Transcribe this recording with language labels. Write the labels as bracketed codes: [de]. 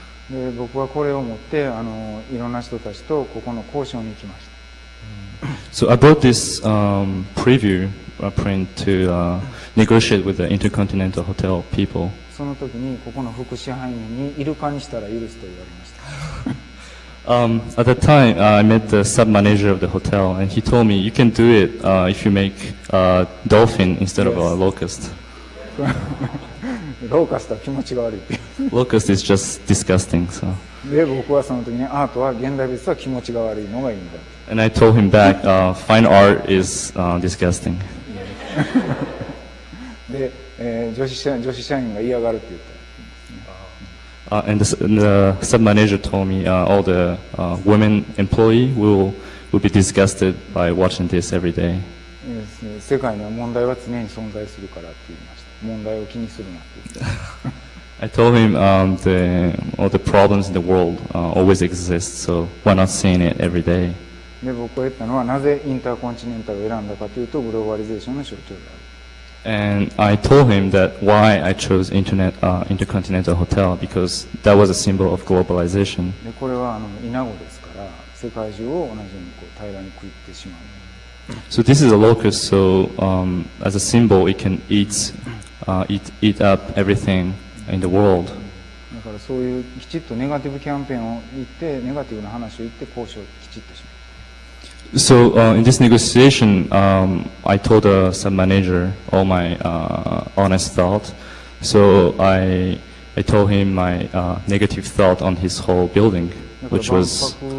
[ja] で僕はこれを持ってあのいろんな人たちとここの交渉に行きました。 [en] So I brought this preview print to negotiate with the Intercontinental Hotel people. [ja] その時にここの副支配人にイルカにしたら許すと言われました。 [en] At that time, I met the sub-manager of the hotel, and he told me, you can do it if you make a dolphin instead of a locust. [ja] Locust は気持ち悪い。 [en] Locust is just disgusting, so. [ja] で、僕はその時に、アートは現代美術は気持ちが悪いのがいいんだ。 [en] And I told him back, fine art is disgusting. [ja] で、女子社員が嫌がるって言った。 [en] And the sub-manager told me all the women employees will be disgusted by watching this every day. [ja] Yes, 世界には問題は常に存在するからって言いました。問題を気にするなって言った。 [en] I told him all the problems in the world always exist, so why not seeing it every day? [ja] で、僕が言ったのはなぜインターコンチネンタルを選んだかというとグローバリゼーションの象徴である。 [en] And I told him that why I chose Intercontinental Hotel because that was a symbol of globalization. [ja] で、これはあのイナゴですから世界中を同じようにこう平らに食いってしまう。 [en] So this is a locust, so as a symbol it can eat up everything in the world. [ja] だからそういうきちっとネガティブキャンペーンを行ってネガティブな話を言って交渉をきちっとします。 [en] So in this negotiation, I told the sub-manager all my honest thoughts. So I told him my negative thought on his whole building, which was...